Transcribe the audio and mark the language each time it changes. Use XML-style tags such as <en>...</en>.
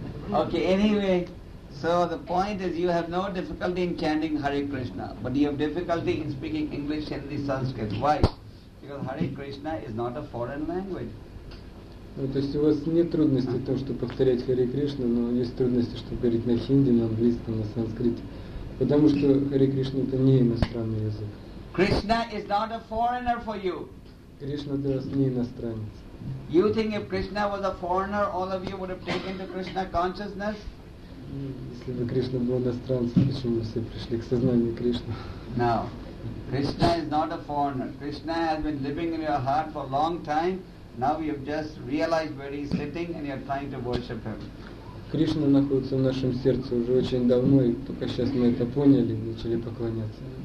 <en>Okay, anyway, so the point is you have no difficulty in chanting Hare Krishna, but you have difficulty in speaking English and the Sanskrit. Why? Because Hare Krishna is not a foreign language.</en> <ru>Ну, то есть у вас нет трудностей в том, чтобы повторять Hare Krishna, но есть трудности, чтобы говорить на хинди, на английском, на санскрите. Потому что Hare Krishna это не иностранный язык.</ru> <en>Krishna is not a foreigner for you.</en> <ru>Krishna для вас не иностранец.</ru> <en>You think if Krishna was a foreigner, all of you would have taken to Krishna consciousness?</en> <ru>Если бы Кришна был иностранцем, почему все пришли к сознанию Кришны?</ru> <en>No. Krishna is not a foreigner. Krishna has been living in your heart for a long time. Now you've just realized where he's sitting and you're trying to worship him.</en> <ru>Кришна находится в нашем сердце уже очень давно, и только сейчас мы это поняли и начали поклоняться.</ru>